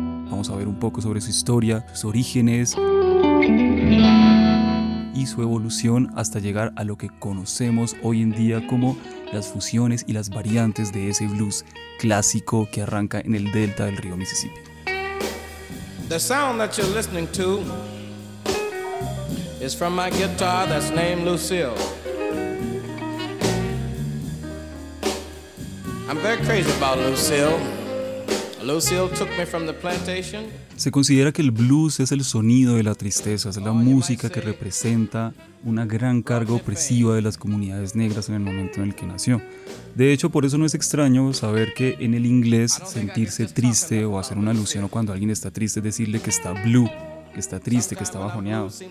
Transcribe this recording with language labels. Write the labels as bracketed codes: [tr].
[es] Vamos a ver un poco sobre su historia, sus orígenes y su evolución hasta llegar a lo que conocemos hoy en día como las fusiones y las variantes de ese blues clásico que arranca en el delta del río Mississippi. [en] The sound that you're listening to is from my guitar that's named Lucille. I'm very crazy about Lucille. Lucille took me from the plantation. [es] Se considera que el blues es el sonido de la tristeza, es la música que representa una gran carga opresiva de las comunidades negras en el momento en el que nació. De hecho, por eso no es extraño saber que en el inglés sentirse triste o hacer una alusión o cuando alguien está triste es decirle que está blue, que está triste, que está bajoneado.